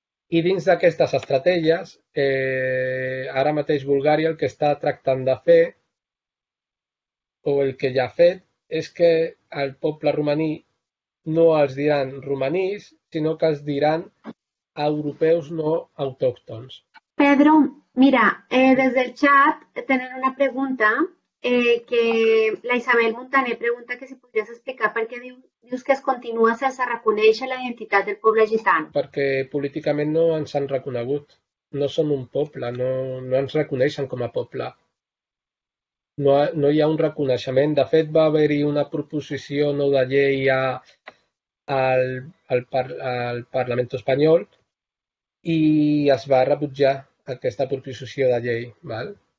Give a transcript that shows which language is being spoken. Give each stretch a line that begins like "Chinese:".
Catalan: I dins d'aquestes estratègies, ara mateix Bulgària el que està tractant de fer, o el que ja ha fet, és que al poble romaní no els diran romanís, sinó que els diran europeus no autòctons.
Spanish: Pedro, mira, desde el chat tienen una pregunta que la Isabel Montaner pregunta que si podrías explicar por qué
Catalan: dius que es continúa sense reconèixer la identitat del poble gitano. Perquè políticament no ens han reconegut. No som un poble, no ens reconeixen com a poble. No hi ha un reconeixement. De fet, va haver-hi una proposició no de llei al Parlament espanyol i es va rebutjar aquesta proposició de llei. Val?